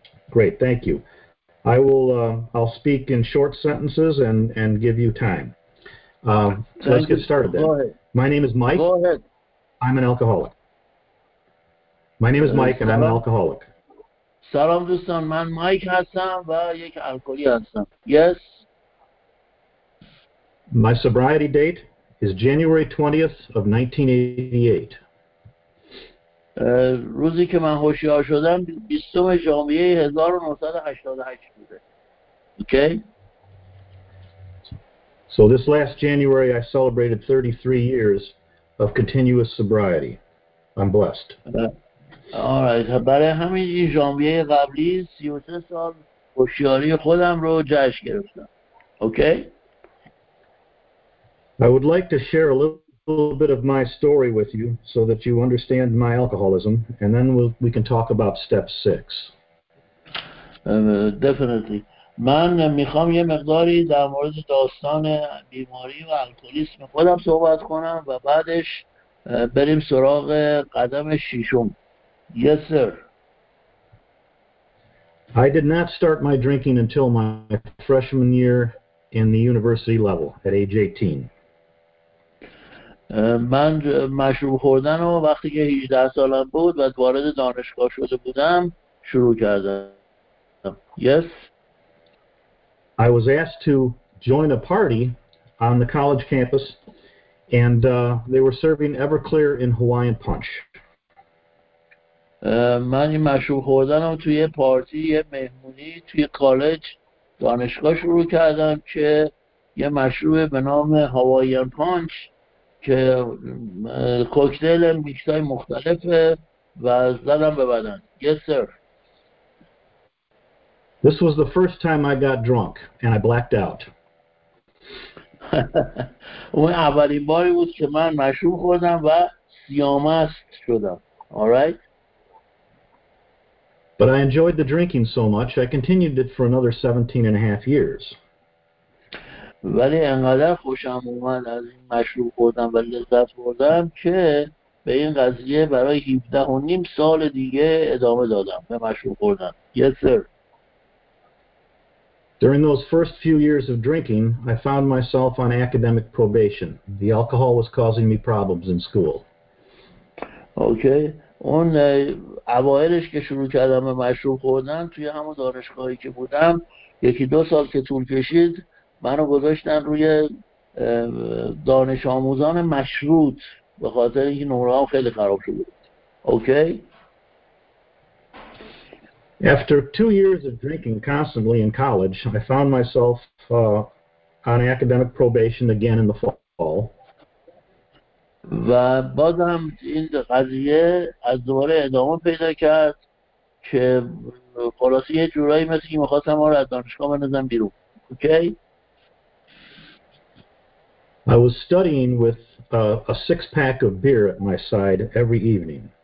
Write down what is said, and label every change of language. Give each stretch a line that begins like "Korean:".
English: Great, thank you. I will I'll speak in short sentences and give you time. Let's get started then. Go ahead. My name is Mike. Go ahead. I'm an alcoholic. My name is Mike and I'm an alcoholic.
Persian: سلام دوستان، من مایک هستم و یک الکلی هستم.
English: Yes. My sobriety date is January 20th of 1988.
Persian: روزی که من هوشیار شدم 20 ژانویه 1988 بوده.
English: Okay. So this last January I celebrated 33 years of continuous sobriety. I'm blessed.
Persian: آره، برای همین این ژانویه قبلی 33 سال هوشیاری خودم رو جشن گرفتم.
English: Okay? I would like to share a little bit of my story with you so that you understand my alcoholism and then we can talk about step 6. Definitely.
Persian: من میخوام یه مقداری در مورد داستان بیماری و الکلیسم خودم صحبت کنم و بعدش بریم سراغ قدم ششم.
English: Yes, sir. I did not start my drinking until my freshman year in the university level at age 18.
Persian: من مشروب خوردن و وقتی که 18 سالم بود و وارد دانشگاه شده بودم شروع کردم.
English: Yes. I was asked to join a party on the college campus and they were serving Everclear in Hawaiian punch.
Persian: من این مشروب خوردن رو توی پارتی یه مهمونی توی کالج دانشگاه شروع کردم که یه مشروب به نام هاواین پانچ که کوکتل میکس‌های مختلفه و زدم به بدن.
English: Yes, sir. This was the first time I got drunk and I blacked out.
Persian: اون اولین باری بود که من مشروب خوردم و سیامست شدم.
English: All right. But I enjoyed the drinking so much, I continued it for another 17 and a half years.
Persian: ولی انقدر خوشم اومد از این مشروب خوردم و لذت بردم که به این قضیه برای 17 و نیم سال دیگه ادامه دادم به مشروب خوردن.
English: Yes, sir. During those first few years of drinking, I found myself on academic probation. The alcohol was causing me problems in school. Okay.
Persian: اون اوائلش که شروع کردم به مشروب خوردن توی همون دانشگاهی که بودم یکی دو سال که طول کشید منو گذاشتن روی دانش آموزان مشروط به خاطر اینکه نمره هم خیلی خراب شده بود.
English: Okay? After 2 years of drinking constantly in college, I found myself on academic probation again in the fall.
Persian: و بازم این قضیه از دوباره ادامه پیدا کرد که خلاصه یه جورایی مثل که میخواستم ما رو از دانشگاه بندازم بیرون.
English: Okay? I was studying with a six pack of beer at my side every evening.